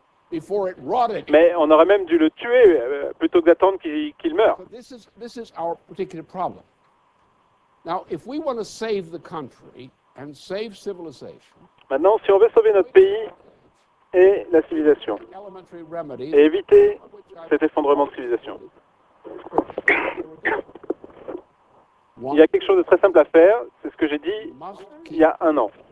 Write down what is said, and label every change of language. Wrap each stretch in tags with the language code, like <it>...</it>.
<fr>Mais on aurait même dû le tuer plutôt que d'attendre qu'il meure.</fr> <en>This is our particular problem. Now, if we want to save the country and save civilization,</en> <fr>maintenant, si on veut sauver notre pays et la civilisation, et éviter cet effondrement de civilisation, il y a quelque chose de très simple à faire, c'est ce que j'ai dit il y a un an.</fr>